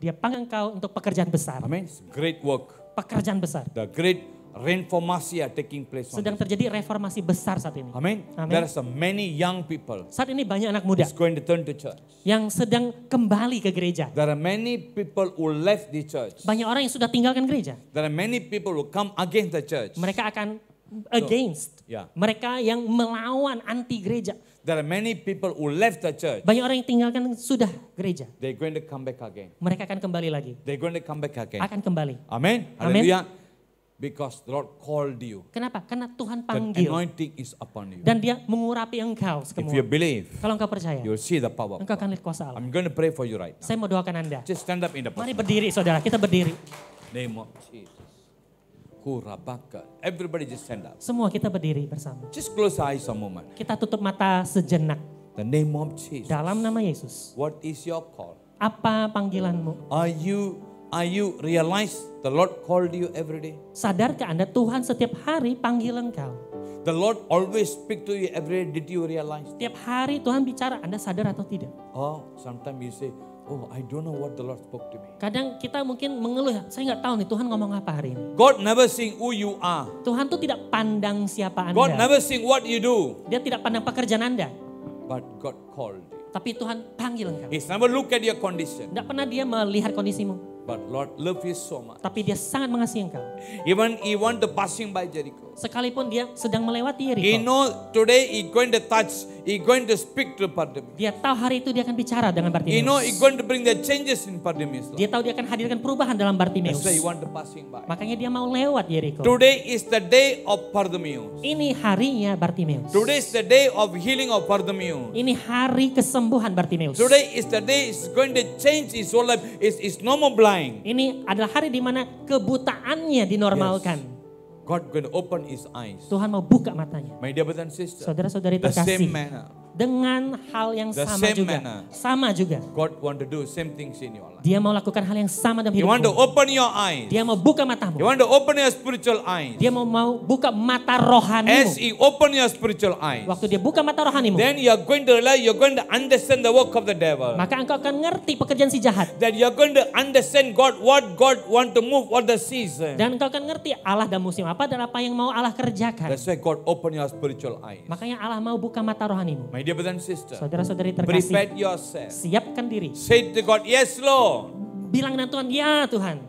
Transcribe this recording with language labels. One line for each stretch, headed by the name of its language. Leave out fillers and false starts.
Indonesian: Dia panggil engkau untuk pekerjaan besar.
English: Amen. Great work.
Indonesian: Pekerjaan besar.
English: The great reformasi taking place.
Indonesian: Sedang terjadi reformasi besar saat ini.
English: Amen. Amen. There are so many young people.
Indonesian: Saat ini banyak anak muda.
English: Who's going to turn to church.
Indonesian: Yang sedang kembali ke gereja.
English: There are many people who left the church.
Indonesian: Banyak orang yang sudah tinggalkan gereja.
English: There are many people who come against the church.
Indonesian: Mereka akan against.
English: So, yeah.
Indonesian: Mereka yang melawan anti gereja.
English: There are many people who left the church.
Indonesian: Banyak orang yang tinggalkan sudah gereja.
English: They're going to come back again.
Indonesian: Mereka akan kembali lagi.
English: They're going to come back again.
Indonesian: Akan kembali.
English: Amen. Haleluya. Because the Lord called you.
Indonesian: Kenapa? Karena Tuhan panggil.
English: The anointing is upon you.
Indonesian: Dan Dia mengurapi engkau semua.
English: If you believe.
Indonesian: Kalau engkau percaya.
English: You will see the power.
Indonesian: Engkau akan lihat kuasa Allah.
English: I'm going to pray for you right now.
Indonesian: Saya mau doakan Anda.
English: Just stand up in the
Indonesian: place. Mari berdiri saudara, kita berdiri.
English: Name of Jesus. Kurabaka. Everybody just stand up.
Indonesian: Semua kita berdiri bersama.
English: Just close eyes a moment.
Indonesian: Kita tutup mata sejenak.
English: The name of Jesus.
Indonesian: Dalam nama Yesus.
English: What is your call?
Indonesian: Apa panggilanmu?
English: Are you realize the Lord called you every day?
Indonesian: Sadarkah Anda Tuhan setiap hari panggil engkau?
English: The Lord always speak to you every day. Did you realize?
Indonesian: Setiap hari Tuhan bicara, Anda sadar atau tidak?
English: Oh, sometimes you say, oh, I don't know what the Lord spoke to me.
Indonesian: Kadang kita mungkin mengeluh, saya enggak tahu nih Tuhan ngomong apa hari ini.
English: God never seeing who you are.
Indonesian: Tuhan tuh tidak pandang siapa Anda.
English: God never seeing what you do.
Indonesian: Dia tidak pandang pekerjaan Anda.
English: But God called you.
Indonesian: Tapi Tuhan panggil engkau.
English: He's never look at your condition.
Indonesian: Enggak pernah Dia melihat kondisimu.
English: But Lord love you so much.
Indonesian: Tapi Dia sangat mengasihi engkau.
English: Even he want to passing by Jericho.
Indonesian: Sekalipun Dia sedang melewati Jericho.
English: He know today he going to touch, he going to speak to Bartimaeus.
Indonesian: Dia tahu hari itu Dia akan bicara dengan Bartimaeus.
English: He know he going to bring the changes in Bartimaeus.
Indonesian: Dia tahu Dia akan hadirkan perubahan dalam Bartimaeus.
English: He want to passing by.
Indonesian: Makanya Dia mau lewat Jericho.
English: Today is the day of Bartimaeus.
Indonesian: Ini harinya Bartimaeus.
English: Today is the day of healing of Bartimaeus.
Indonesian: Ini hari kesembuhan Bartimaeus.
English: Today is the day is going to change his whole life. Is no more blind.
Indonesian: Ini adalah hari di mana kebutaannya dinormalkan.
English: Yes. God going to open his eyes.
Indonesian: Tuhan mau buka matanya.
English: My dear brothers and sisters,
Indonesian: saudara-saudari terkasih.
English: The same manner.
Indonesian: Dengan hal yang
English: the
Indonesian: sama
English: same
Indonesian: juga.
English: Manner,
Indonesian: sama juga.
English: God want to do same things in your life.
Indonesian: Dia mau lakukan hal yang sama dalam
English: hidupmu. He want to open your eyes.
Indonesian: Dia mau buka matamu.
English: He want to open your spiritual eyes.
Indonesian: Dia mau buka mata rohanimu.
English: As he open your spiritual eyes.
Indonesian: Waktu Dia buka mata rohanimu.
English: Then you are going to realize, you are going to understand the work of the devil.
Indonesian: Maka engkau akan ngerti pekerjaan si jahat.
English: That you are going to understand God, what God want to move, what the season.
Indonesian: Dan engkau akan ngerti Allah dan musim apa dan apa yang mau Allah kerjakan.
English: That's why God open your spiritual eyes.
Indonesian: Makanya Allah mau buka mata rohanimu.
English: My dear brothers and sisters,
Indonesian: saudara-saudari terkasih,
English: prepare yourself.
Indonesian: Siapkan diri.
English: Say to God, yes, Lord.
Indonesian: Bilang dengan Tuhan, ya Tuhan.